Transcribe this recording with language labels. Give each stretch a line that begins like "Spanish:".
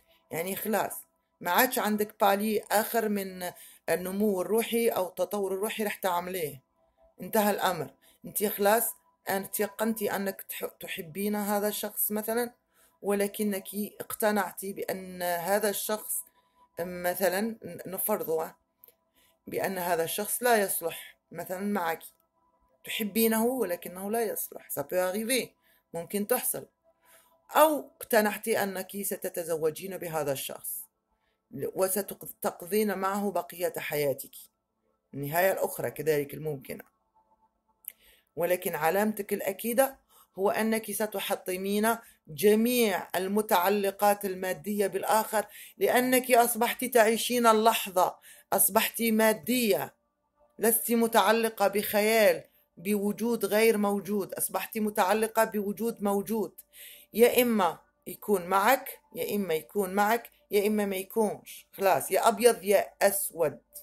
Arabic: يعني خلاص ما عادش عندك بالي آخر من النمو الروحي أو التطور الروحي رح تعمليه، انتهى الأمر، انت خلاص تيقنتي أنك تحبين هذا الشخص مثلا، ولكنك اقتنعتي بأن هذا الشخص مثلا نفرضه بأن هذا الشخص لا يصلح مثلا معك، تحبينه ولكنه لا يصلح.
French: ça peut arriver،
Arabic: ممكن تحصل. أو اقتنعتي أنك ستتزوجين بهذا الشخص وستقضين معه بقية حياتك، النهاية الأخرى كذلك الممكنة، ولكن علامتك الأكيدة هو أنك ستحطمين جميع المتعلقات المادية بالآخر، لأنك أصبحت تعيشين اللحظة، أصبحت مادية، لست متعلقة بخيال، بوجود غير موجود، أصبحت متعلقة بوجود موجود، يا إما يكون معك، يا إما يكون معك، يا إما ما يكونش، خلاص، يا أبيض يا أسود.